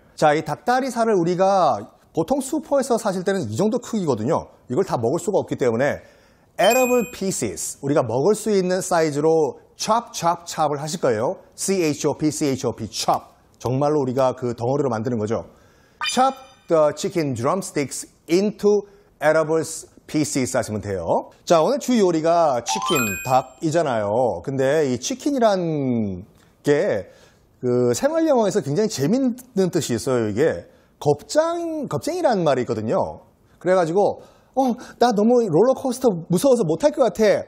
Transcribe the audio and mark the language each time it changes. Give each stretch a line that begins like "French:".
Korean: 자, 이 닭다리 살을 우리가 보통 슈퍼에서 사실 때는 이 정도 크기거든요. 이걸 다 먹을 수가 없기 때문에
English: edible pieces,
Korean: 우리가 먹을 수 있는 사이즈로
English: chop, chop, chop
Korean: 을 하실 거예요.
English: chop, chop, chop.
Korean: 정말로 우리가 그 덩어리로 만드는 거죠.
English: chop the chicken drumsticks into edible pieces
Korean: 하시면 돼요. 자, 오늘 주 요리가 치킨, 닭이잖아요. 근데 이 치킨이란 게 그 생활 영어에서 굉장히 재밌는 뜻이 있어요. 이게 겁쟁이란 말이 있거든요. 그래가지고 나 너무 롤러코스터 무서워서 못할 것 같아.